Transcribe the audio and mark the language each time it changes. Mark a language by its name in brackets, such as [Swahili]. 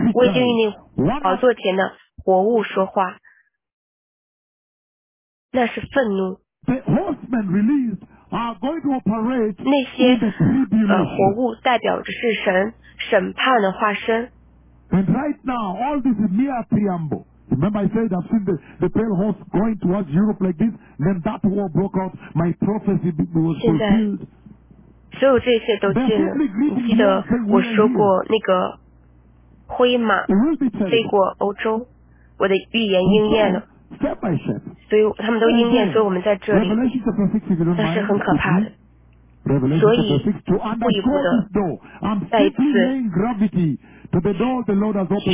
[Chinese] 我已经与那宝座前的活物说话，那是愤怒。那些活物代表着是神审判的化身。 [English] And right now, all this is mere preamble. Remember I said I've seen the pale horse going towards Europe like this, and then that war broke out, my prophecy was fulfilled. [Chinese] 现在所有这些都进了，你记得我说过那个灰马飞过欧洲，我的预言应验了。 [English] Step by step. [Chinese] 所以他们都应验，所以我们在这里。 [English] Revelation chapter 6, if you don't mind. [Chinese] 那是很可怕的。 [English] Revelation chapter 6, to this door, I'm simply laying gravity to the door the Lord has opened.